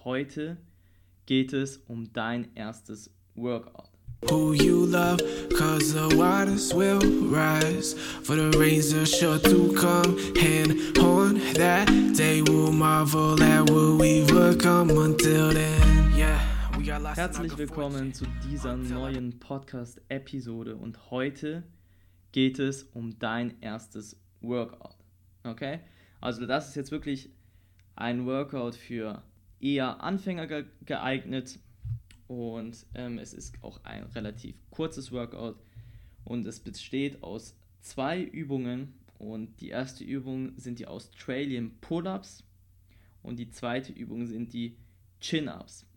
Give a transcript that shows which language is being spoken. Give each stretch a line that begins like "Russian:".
German: heute geht es um dein erstes Workout.
English: Who you love, cause the waters will rise, for the rains are sure to come, and on that day we'll marvel at what we've become until then, yeah.
German: Herzlich willkommen zu dieser neuen Podcast-Episode und heute geht es um dein erstes Workout, okay? Also das ist jetzt wirklich ein Workout für eher Anfänger geeignet und es ist auch ein relativ kurzes Workout und es besteht aus zwei Übungen und die erste Übung sind die Australian Pull-Ups und die zweite Übung sind die Chin-Ups.